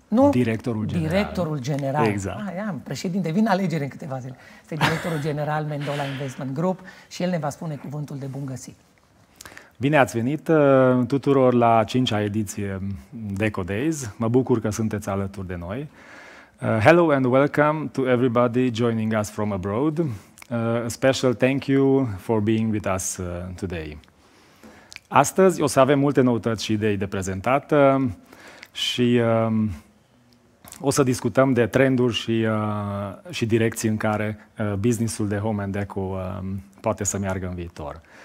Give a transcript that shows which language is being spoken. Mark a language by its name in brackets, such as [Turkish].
[Romanian] directorul general. Exact. Președinte, vin alegeri în câteva zile. Este directorul general Mendola Investment Group și el ne va spune cuvântul de bun găsit. Bine ați venit tuturor la 5-a ediție Deco Days. Mă bucur că sunteți alături de noi. [English] Hello and welcome to everybody joining us from abroad. A special thank you for being with us today. [Romanian] Astăzi o să avem multe noutăți și idei de prezentat și o să discutăm de trenduri și, și direcții în care business-ul de Home & Deco poate să meargă în viitor.